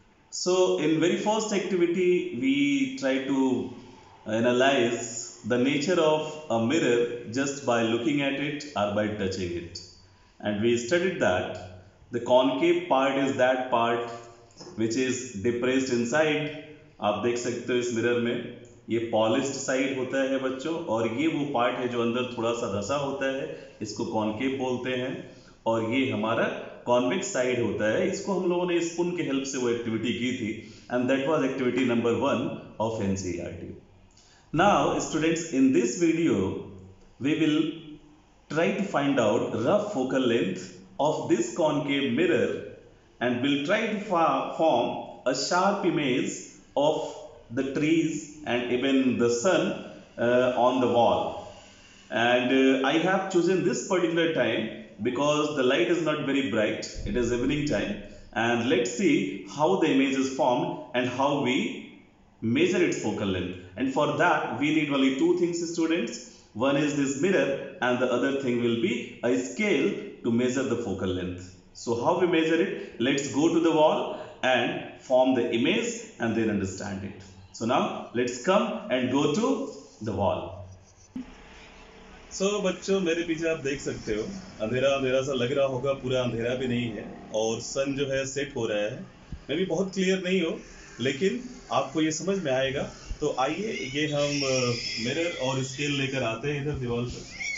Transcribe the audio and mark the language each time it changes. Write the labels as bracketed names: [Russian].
[English] So in very first activity we try to analyze the nature of a mirror just by looking at it or by touching it, and we studied that the concave part is that part which is depressed inside. [Hindi] आप देख सकते हो इस mirror में ये polished side होता है बच्चों, और ये वो पार्ट है जो अंदर थोड़ा सा रसा होता है, इसको कॉनकेव बोलते हैं, और ये हमारा कॉन्वेक्स साइड होता है. इसको हम लोगों ने स्पून के हेल्प से वो एक्टिविटी की थी, [English] And that was activity number 1 of NCERT. Now students, in this video we will try to find out rough focal length of this concave mirror, and will try to form a sharp image of the trees and even the sun on the wall. And I have chosen this particular time because the light is not very bright, it is evening time, and let's see how the image is formed and how we measure its focal length. And for that we need only two things, students. One is this mirror, and the other thing will be a scale to measure the focal length. So how we measure it? Let's go to the wall and form the image and then understand it. So now let's come and go to the wall. [Hindi] So बच्चों, मेरे पीछे आप देख सकते हो अंधेरा अंधेरा सा लग रहा होगा, पूरा अंधेरा भी नहीं है और सन जो है सेट हो रहा है. मैं भी बहुत क्लियर नहीं हो लेकिन आपको ये समझ में आएगा. तो आइए ये हम मिरर और स्केल लेकर आते हैं इधर दीवार पर.